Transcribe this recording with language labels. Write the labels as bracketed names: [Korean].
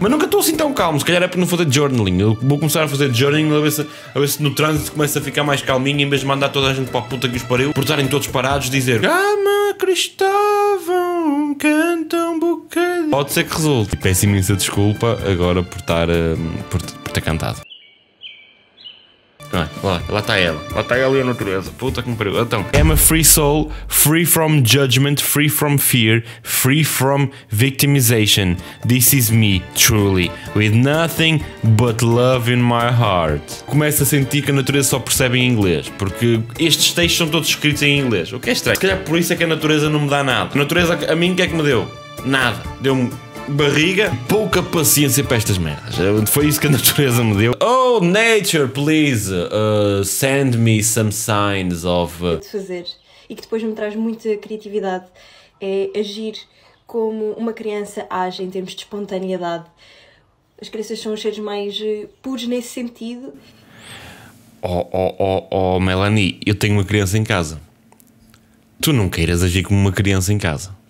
[Portuguese] Mas nunca estou assim tão calmo. Se calhar é para não fazer journaling. Eu vou começar a fazer journaling a ver se no trânsito começa a ficar mais calminho, em vez de mandar toda a gente para a puta que os pariu, por estarem todos parados, dizer calma, Cristóvão, canta um bocadinho. Pode ser que resulte. E peço imensa desculpa agora por ter cantado. Lá está ela. Lá está ela e a natureza. Puta que me pariu. [English] Então, I'm a free soul, free from judgment, free from fear, free from victimization. This is me, truly, with nothing but love in my heart. [Portuguese] Começo a sentir que a natureza só percebe em inglês, porque estes textos são todos escritos em inglês. O que é estranho. Se calhar por isso é que a natureza não me dá nada. A natureza, a mim, o que é que me deu? Nada. Deu-me barriga, pouca paciência para estas merdas. Foi isso que a natureza me deu. [English] Oh, nature, please, send me some signs of... [Portuguese] De fazer, e que depois me traz muita criatividade, é agir como uma criança age em termos de espontaneidade. As crianças são os seres mais puros nesse sentido. Oh, Melanie, eu tenho uma criança em casa. Tu não queiras agir como uma criança em casa.